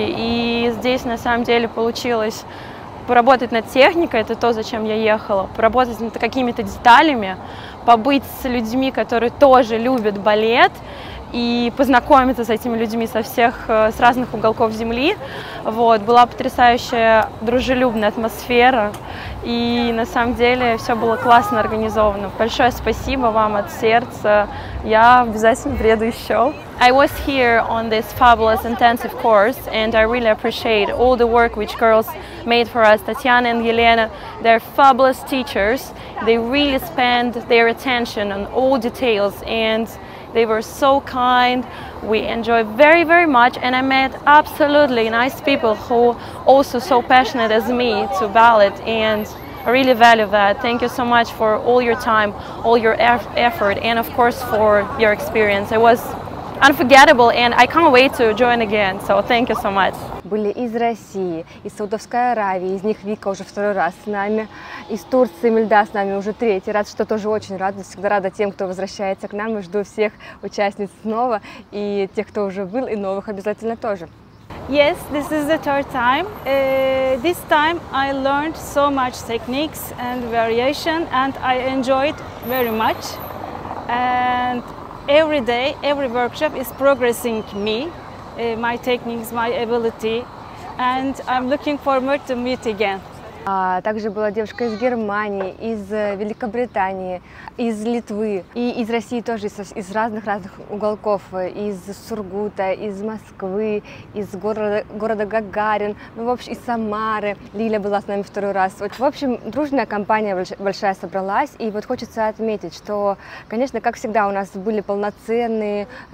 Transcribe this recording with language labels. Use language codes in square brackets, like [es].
[ru] И здесь на самом деле получилось поработать над техникой, это то, зачем я ехала, поработать над какими-то деталями, побыть с людьми, которые тоже любят балет, и познакомиться с этими людьми со всех, с разных уголков земли. Вот, была потрясающая дружелюбная атмосфера, и на самом деле все было классно организовано. Большое спасибо вам от сердца, я обязательно приеду еще. [en] I was here on this fabulous intensive course, and I really appreciate all the work which girls made for us, Татьяна and Елена. They're fabulous teachers, they really spend their attention on all details, and they were so kind. We enjoyed very, very much, and I met absolutely nice people who also so passionate as me to ballet, and I really value that. Thank you so much for all your time, all your effort, and of course for your experience. It was unforgettable, and I can't wait to join again. So thank you so much. [ru] Были из России, из Саудовской Аравии, из них Вика уже второй раз с нами, из Турции Мельда с нами уже третий раз, что тоже очень рада, всегда рада тем, кто возвращается к нам, и жду всех участниц снова, и тех, кто уже был, и новых обязательно тоже. [en] Yes, this is the third time. This time I learned so much techniques and variation, and I enjoyed very much. And every day, every workshop is progressing me. My techniques, my ability, and I'm looking forward to meet again. [ru] Также была девушка из Германии, из Великобритании, из Литвы и из России тоже, из разных уголков, из Сургута, из Москвы, из города Гагарин, ну, в общем, из Самары. Лиля была с нами второй раз. Вот, в общем, дружная компания большая собралась, и вот хочется отметить, что, конечно, как всегда, у нас были полноценные,